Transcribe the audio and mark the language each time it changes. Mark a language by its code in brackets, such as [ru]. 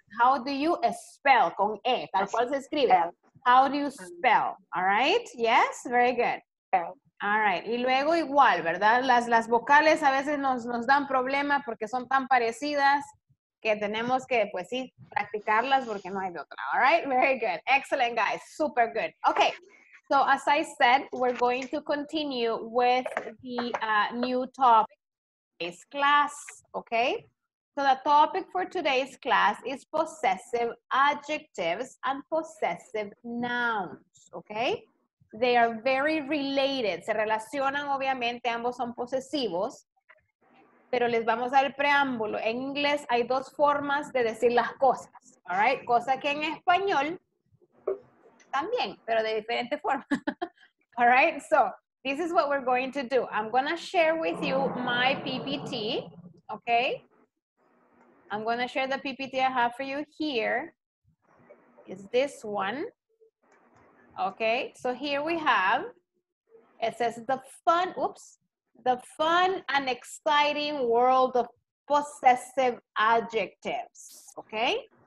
[en] How do you spell [es] con E, tal cual se escribe. [en] How do you spell, all right? Yes? Very good. Spell. All right, [es] y luego igual, ¿verdad? Las vocales a veces nos dan problemas porque son tan parecidas que tenemos que, pues sí, practicarlas porque no hay de otra. [en] All right, very good. Excellent, guys. Super good. Okay, so as I said, we're going to continue with the new topic for today's class, okay? So the topic for today's class is possessive adjectives and possessive nouns, okay? They are very related. [es] Se relacionan, obviamente, ambos son posesivos. Pero les vamos a dar el preámbulo. En inglés hay dos formas de decir las cosas. [en] All right? [es] Cosa que en español también, pero de diferente forma. [en] All right? So, this is what we're going to do. I'm going to share with you my PPT. Okay? I'm going to share the PPT I have for you here. It's this one. Okay, so here we have, it says the fun and exciting world of possessive adjectives, okay?